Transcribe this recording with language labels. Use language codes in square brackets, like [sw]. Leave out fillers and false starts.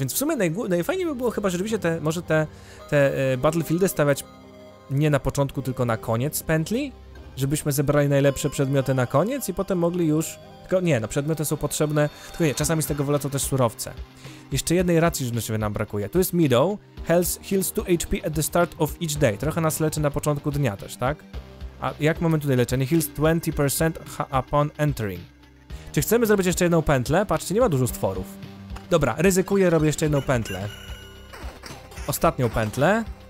[pl] Więc w sumie najfajniej by było chyba, że rzeczywiście te battlefieldy stawiać nie na początku, tylko na koniec pętli. Żebyśmy zebrali najlepsze przedmioty na koniec i potem mogli już... Tylko nie, no przedmioty są potrzebne, tylko nie, czasami z tego wylecą też surowce. Jeszcze jednej racji żywnościowej nam brakuje. Tu jest [en] Meadow, heals 2 HP at the start of each day. [pl] Trochę nas leczy na początku dnia też, tak? A jak mamy tutaj leczenie? [en] Heals 20% upon entering. [pl] Czy chcemy zrobić jeszcze jedną pętlę? Patrzcie, nie ma dużo stworów. Dobra, ryzykuję, robię jeszcze jedną pętlę. Ostatnią pętlę.